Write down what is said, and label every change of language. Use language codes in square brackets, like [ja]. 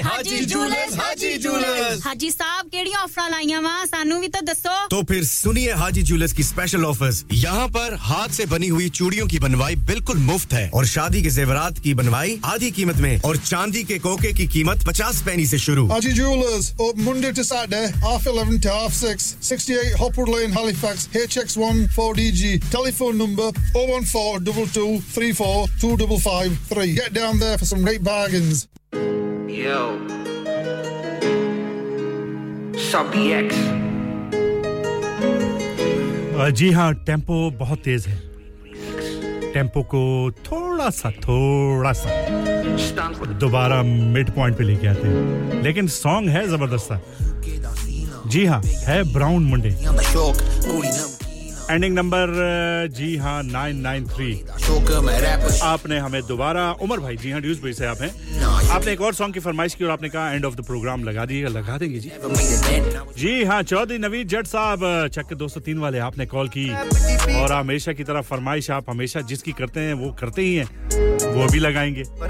[hi] हाजी jewellers हाजी jewellers [pa] हाजी साहब KD offer लाईया वा सानू भी तो दसो [hi] तो फिर सुनिए हाजी जूलर्स की स्पेशल ऑफर्स यहां पर हाथ से बनी हुई चूड़ियों की बनवाई बिल्कुल मुफ्त है और शादी के जेवरात की बनवाई आधी कीमत में और चांदी के कोके की कीमत 50 पैसे से शुरू [en] Haji jewellers open Monday to Saturday half 11 to half 6 68 Lane Halifax HX1 4DG telephone number 01422342553 get down there for some great bargains yo Shabby X [hi] ji ha tempo bahut tez hai tempo ko thoda sa dobara midpoint pe leke aate hain lekin song hai zabardast sa जी हाँ है brown Monday ending number जी हां 993 आपने हमें दोबारा उमर भाई जी हां ड्यूज़ भाई से आप हैं आपने एक और सॉन्ग की फरमाइश की और आपने कहा [en] end of the programme [hi] लगा दीजिएगा लगा देंगे जी जी हां चौधरी नवीद जट साहब चक 203 वाले आपने कॉल की और हमेशा की तरह फरमाइश आप हमेशा जिसकी करते हैं वो करते ही हैं वो भी लगाएंगे